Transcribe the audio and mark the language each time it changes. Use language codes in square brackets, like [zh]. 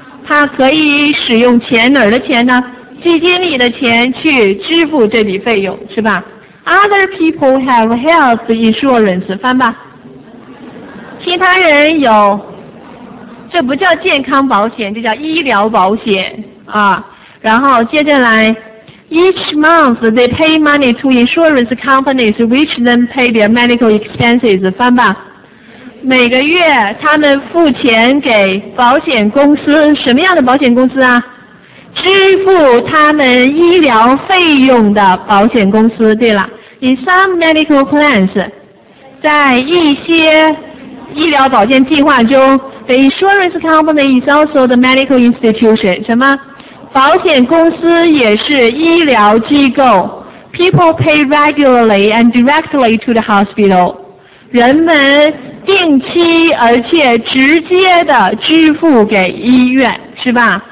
[zh] 他可以使用钱哪儿的钱呢？基金里的钱去支付这笔费用，是吧 ？ [en] Other people have health insurance， [zh] 翻吧。其他人有。这不叫健康保险，这叫医疗保险啊。然后接着来 [en] ，Each month they pay money to insurance companies, which then pay their medical expenses. [zh] 翻吧，每个月他们付钱给保险公司，什么样的保险公司啊？支付他们医疗费用的保险公司。对了 ， [en] In some medical plans， [zh] 在一些医疗保健计划中。 [en] The insurance company is also the medical institution. [zh] 什么？保险公司也是医疗机构。 [en] People pay regularly and directly to the hospital. [zh] 人们定期而且直接的支付给医院，是吧？